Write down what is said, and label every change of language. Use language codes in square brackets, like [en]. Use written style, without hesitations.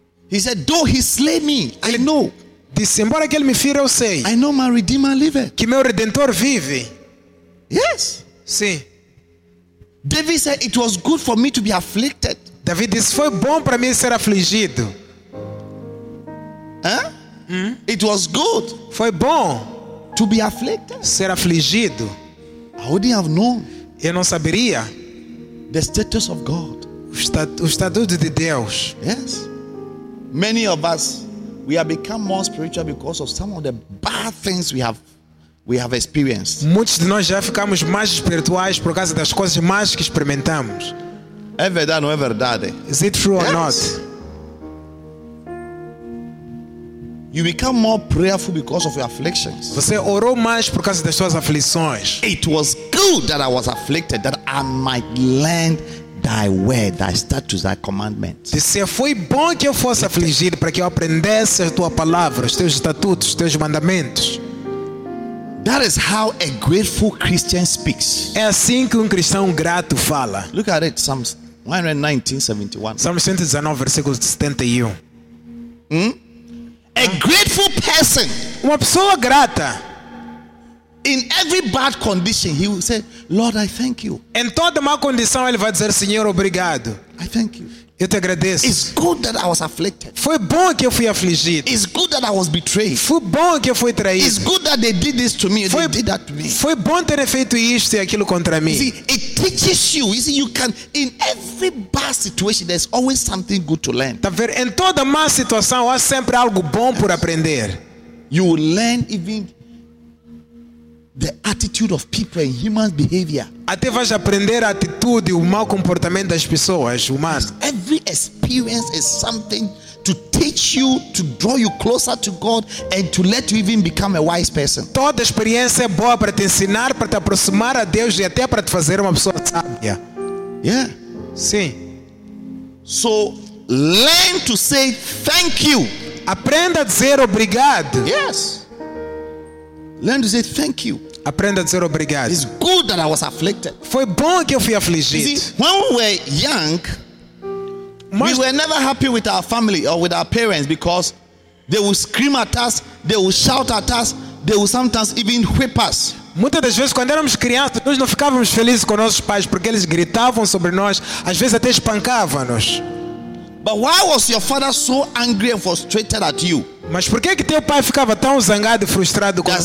[en] He said, though he slay me, [pt] ele [en] I know. [pt] Disse, embora que ele me fira, eu sei. [en] I know my Redeemer liveth. [pt] Que meu Redentor vive. [en] Yes. [pt] Sim. [en] David said it was good for me to be afflicted. [pt] David disse, foi bom para mim ser afligido. [en] Hein? It was good. [pt] Foi bom [en] to be afflicted. [pt] Ser afligido. [en] I wouldn't have known. [pt] Eu não saberia. [en] The status of God. [pt] O estatuto de Deus. [en] Yes. Many of us, we have become more spiritual because of some of the bad things we have experienced. [pt] Muitos de nós já ficamos mais espirituais por causa das coisas más que experimentamos. É verdade ou não é verdade? [en] Is it true or not? You become more prayerful because of your afflictions. [pt] Você orou mais por causa das suas aflições. [en] It was good that I was afflicted, that I might learn thy word, thy statutes, thy commandments. [pt] Disse, foi bom que eu fosse afligido para que eu aprendesse a tua palavra, os teus estatutos, os teus mandamentos. [en] That is how a grateful Christian speaks. [pt] É assim que cristão grato fala. [en] Look at it, Psalms 119:71. [pt] Psalms 119, versículo 71. [en] A grateful person, [pt] uma pessoa grata, [en] in every bad condition, he will say, Lord, I thank you. [pt] Em toda má condição, ele vai dizer, Senhor, obrigado. [en] I thank you. [pt] Eu te agradeço. [en] It's good that I was afflicted. [pt] Foi bom que eu fui afligido. [en] It's good that I was betrayed. [pt] Foi bom que eu fui traído. [en] It's good that they did this to me. They did that to me. [pt] Foi bom ter feito isto e aquilo contra mim. [en] See, it teaches you. You see, you can in every bad situation, there's always something good to learn. [pt] Tá vendo? Em toda má situação há sempre algo bom por aprender. [en] You will learn even the attitude of people and human behavior. [pt] Até vais aprender a atitude, o mau comportamento das pessoas humanas. [en] Every experience is something to teach you, to draw you closer to God and to let you even become a wise person. [pt] Toda experiência é boa para te ensinar, para te aproximar a Deus e até para te fazer uma pessoa sábia. [en] Yeah. [pt] Sim. [en] So learn to say thank you. [pt] Aprenda a dizer obrigado. [en] Yes. Learn to say thank you. [pt] Aprenda a dizer obrigado. [en] It's good that I was afflicted. [pt] Foi bom que eu fui afligido. [en] See, when we were young, we were never happy with our family or with our parents because they would scream at us, they would shout at us, they would sometimes even whip us. [pt] Muitas das vezes, quando éramos crianças, nós não ficávamos felizes com nossos pais porque eles gritavam sobre nós, às vezes até espancavam-nos. [en] But why was your father so angry and frustrated at you? [pt] Mas por que que teu pai ficava tão zangado e frustrado contigo?